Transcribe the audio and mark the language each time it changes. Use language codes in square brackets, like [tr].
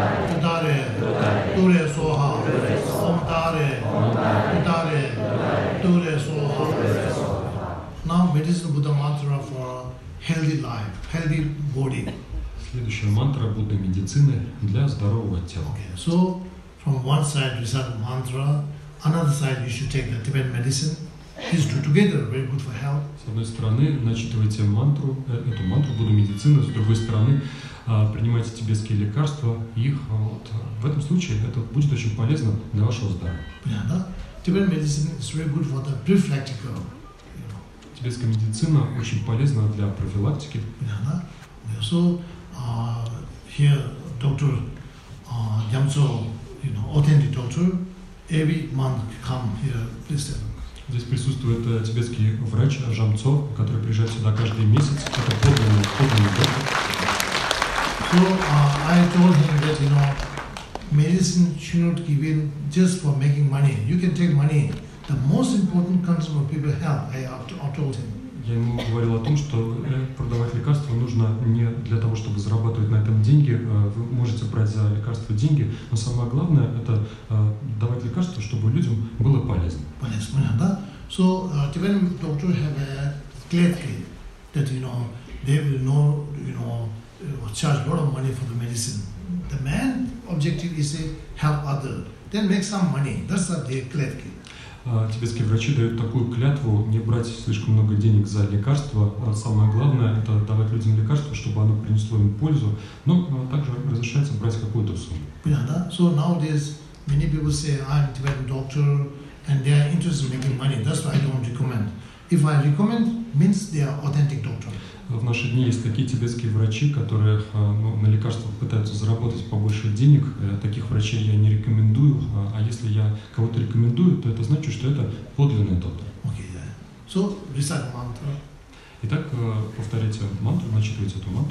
[sa] Ом Таре. Туре Соха. Ом Таре. Ом Таре. [en] Now, medicine Buddha mantra for healthy life, healthy body. [ru] Следующая мантра Будды медицины для здорового тела. [en] Okay. So, from one side we start the mantra, another side you should take the Tibetan medicine. These two together are very good for health. [ru] С одной стороны, начитывайте мантру, эту мантру Будды медицины, с другой стороны, принимайте тибетские лекарства, их вот. В этом случае это будет очень полезно для вашего здоровья. Yeah, да? [en] Tibetan medicine is very good for the prophylactic. [ru] Тибетская медицина очень полезна для профилактики. [en] So, here doctor Yamso, you know, authentic doctor, every month come here visit. [ru] Здесь присутствует тибетский врач Жамцо, который приезжает сюда каждый месяц. Это подлинный, подлинный доктор. [en] So, I told him that, you know, medicine should not give in just for making money. You can take money. The most important concern of people health, I told him. [ru] Я ему говорил о том, что продавать лекарства нужно не для того, чтобы зарабатывать на этом деньги. Вы можете брать за лекарства деньги, но самое главное – это давать лекарства, чтобы людям было полезно. Полезно, понятно, да? [en] So, Tibetan doctors have a clear thing that, you know, they will know, you know, charge a lot of money for the medicine. The main objective is to help others, then make some money. That's the [ru] клетки. Тибетские врачи дают такую клятву не брать слишком много денег за лекарства. Самое главное – это давать людям лекарства, чтобы оно принесло им пользу. Но также разрешается брать какую-то сумму. Yeah, да? [en] So nowadays many people say I'm a Tibetan doctor and they are interested in making money. That's why I don't recommend. If I recommend, means they are authentic doctor. [ru] В наши дни есть такие тибетские врачи, которые на лекарствах пытаются заработать побольше денег. Таких врачей я не рекомендую. А если я кого-то рекомендую, то это значит, что это подлинный доктор. [en] Okay, yeah. So, recite mantra. [ru] Итак, повторите мантру, начитывайте эту мантру.